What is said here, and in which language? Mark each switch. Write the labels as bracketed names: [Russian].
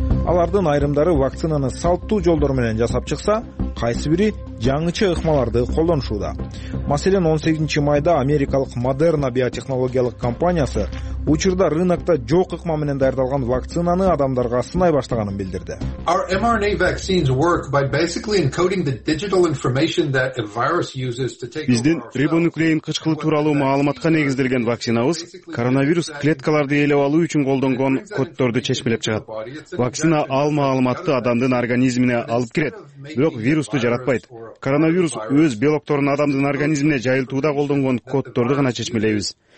[Kyrgyz] Алардын айрымдары вакцинаны салттуу жолдор менен жасап чыкса, кайсы бири жаңыча ыкмаларды колдонушууда. Маселен, 18 майда америкалык Moderna биотехнологиялык компаниясы учурда рынокто жок ыкма менен даярдалган вакцинаны адамдарга сынай баштаганын билдирди. [English] Our mRNA vaccines work by basically encoding the digital information that a virus uses to take over. [Kyrgyz] Биздин рибонуклеин кычкылы тууралуу маалыматка негизделген вакцинабыз коронавирус клеткаларды ээлеп алуу үчүн колдонгон кодторду чечмелеп чыгат. Вакцина ал маалыматты адамдын организмине алып кирет, бирок вирусту жаратпайт. Коронавирус өз белокторун адамдын организмине жайылтууда колдонгон кодторду гана чечмелейбиз.